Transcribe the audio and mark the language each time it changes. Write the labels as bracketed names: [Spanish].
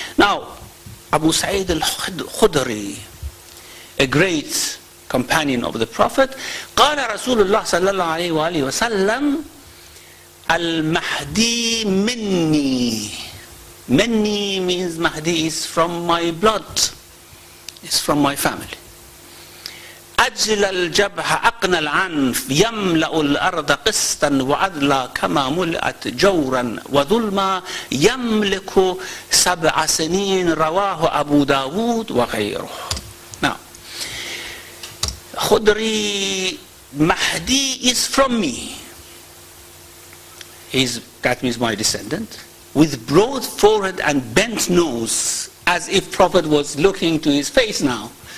[English] Now, Abu Sa'id al-Khudri, a great companion of the Prophet, [Arabic] قَالَ رَسُولُ اللَّهِ صَلَّى اللَّهُ عَلَيْهِ وَآلِهِ وَسَلَّمَ الْمَحْدِي مِنِّي. [English] Many means Mahdi is from my blood, it's from my family. [Arabic] أجل الجبهة أقنى العنف يملأ الأرض قسطا وعدلا كما ملأت جورا وظلما يملك سبع سنين رواه أبو داود وغيره. [English] Now, Khudri, Mahdi is from me. He's, that means my descendant. With broad forehead and bent nose, as if Prophet was looking to his face now.